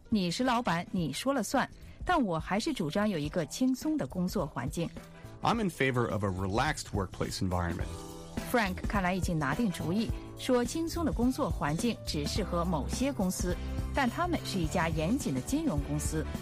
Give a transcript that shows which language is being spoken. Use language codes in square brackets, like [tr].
[zh] 你是老板,你说了算, 但我还是主张有一个轻松的工作环境。 [en] I'm in favor of a relaxed workplace environment. [zh] Frank看来已经拿定主意, 说轻松的工作环境只适合某些公司, 但他们是一家严谨的金融公司。